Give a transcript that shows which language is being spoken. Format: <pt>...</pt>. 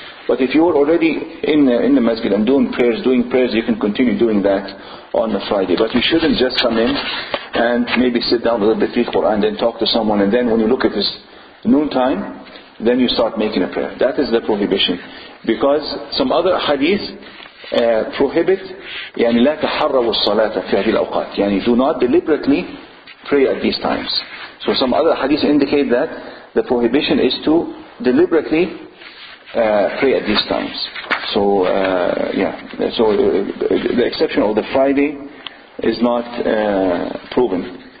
<en>But if you're already in the masjid and doing prayers, you can continue doing that on the Friday. But you shouldn't just come in and maybe sit down a little bit, read Quran, then talk to someone, and then when you look at this noontime, then you start making a prayer. That is the prohibition. Because some other hadith prohibit,</en> <ar>يعني لا تحرّوا الصلاة في هذه الأوقات.</ar> <en>يعني do not deliberately pray at these times. So some other hadith indicate that the prohibition is to deliberately pray at these times. So So the exception of the Friday is not proven.</en>